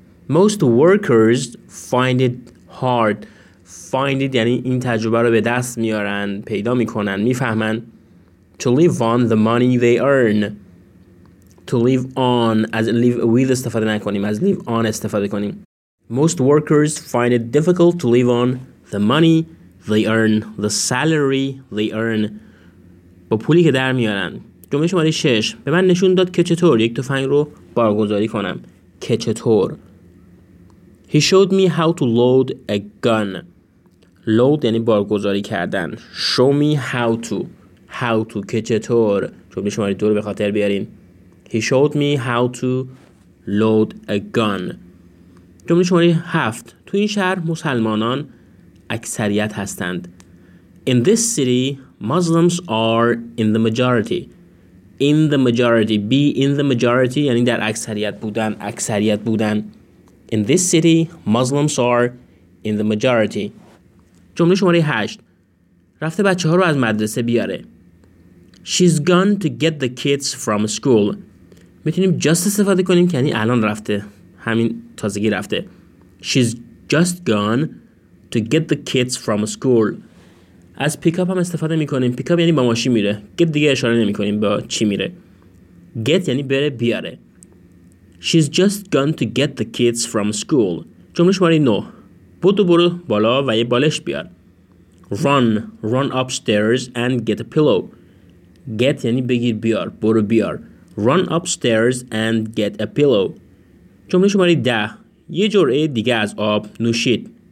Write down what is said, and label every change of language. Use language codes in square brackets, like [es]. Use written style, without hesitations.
[en] Most workers find it hard. Find it [fa] یعنی این تجربه رو به دست میارن، پیدا میکنن، میفهمن. [en] To live on the money they earn. To live on. [fa] از live with استفاده نکنیم، از live on استفاده کنیم. [en] Most workers find it difficult to live on the money they earn. The salary they earn. [fa] با پولی که در میارن. جمله شماره 6. به من نشون داد که چطور یک تفنگ رو بارگذاری کنم. که چطور. [en] He showed me how to load a gun. [fa] Load یعنی بارگذاری کردن. [en] Show me how to. How to [fa] که چطور. جمله شماره 2 رو به خاطر بیارین. [en] He showed me how to load a gun. [fa] جمله شماره 7. تو این شهر مسلمانان اکثریت هستند. [en] In this city, Muslims are in the majority. In the majority. Be in the majority [fa] یعنی در اکثریت بودن. اکثریت بودن. [en] In this city, Muslims are in the majority. [fa] جمله شماره 8. رفته بچه ها رو از مدرسه بیاره. [en] She's gone to get the kids from school. [fa] میتونیم just استفاده کنیم که یعنی الان رفته. همین تازگی رفته. [en] She's just gone to get the kids from school. [fa] از پیکاپ هم استفاده میکنیم. پیکاپ یعنی با ماشین میره. Get دیگه اشاره نمیکنیم با چی میره. Get یعنی بره بیاره. [en] She's just gone to get the kids from school. [fa] جمله شماره 9. بودو برو بالا و یه بالش بیار. [en] Run upstairs and get a pillow. Get [fa] یعنی بگیر بیار. برو بیار. [en] Run upstairs and get a pillow. [fa] جمله شماره 10. یه جرعه دیگه از آب نوشید.